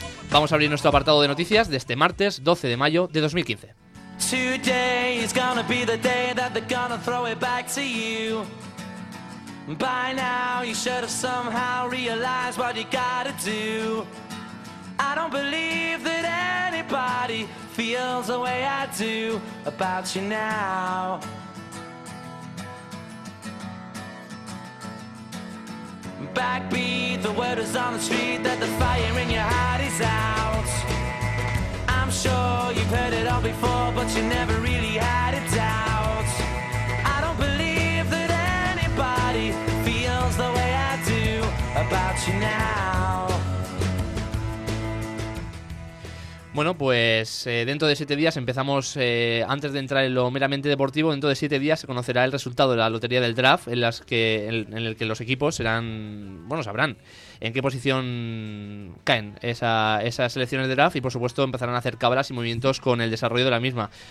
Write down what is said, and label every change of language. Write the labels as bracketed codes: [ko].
[es] Vamos a abrir nuestro apartado de noticias de este martes 12 de mayo de 2015. [en] Today is gonna be the day that they're gonna throw it back to you. By now you should have somehow realized what you gotta do. I don't believe that anybody feels the way I do about you now. Backbeat, the word is on the street that the fire in your heart is out. I'm sure you've heard it all before, but you never really had a doubt. I don't believe that anybody feels the way I do about you now. [es] Bueno, pues dentro de 7 días empezamos, antes de entrar en lo meramente deportivo, dentro de 7 días se conocerá el resultado de la lotería del draft en el que los equipos serán, bueno, sabrán en qué posición caen esas selecciones de draft y, por supuesto, empezarán a hacer cábalas y movimientos con el desarrollo de la misma.